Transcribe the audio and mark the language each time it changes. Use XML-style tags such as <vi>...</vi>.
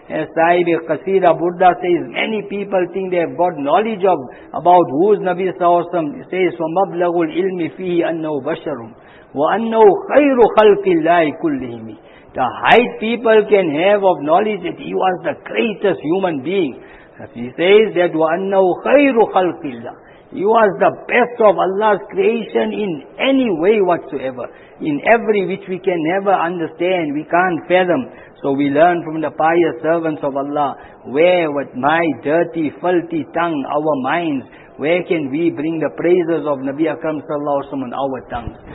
<en>As Sahib Qasida Burda says, many people think they have got knowledge of about who is Nabi sallallahu alaihi wasallam. He says,</en> <ar>وَمَبْلَغُ الْإِلْمِ فِيهِ أَنَّهُ بَشَرٌ وَأَنَّهُ خَيْرُ خَلْقِ اللَّهِ كُلِّهِمِ.</ar> <en>The height people can have of knowledge that he was the greatest human being. He says that</en> <ar>وَأَنَّهُ خَيْرُ خَلْقِ اللَّهِ.</ar> <en>He was the best of Allah's creation in any way whatsoever, in every which we can never understand, we can't fathom. So we learn from the pious servants of Allah, where with my dirty, filthy tongue, our minds, where can we bring the praises of Nabi Akram sallallahu alaihi wasallam on our tongues?</en>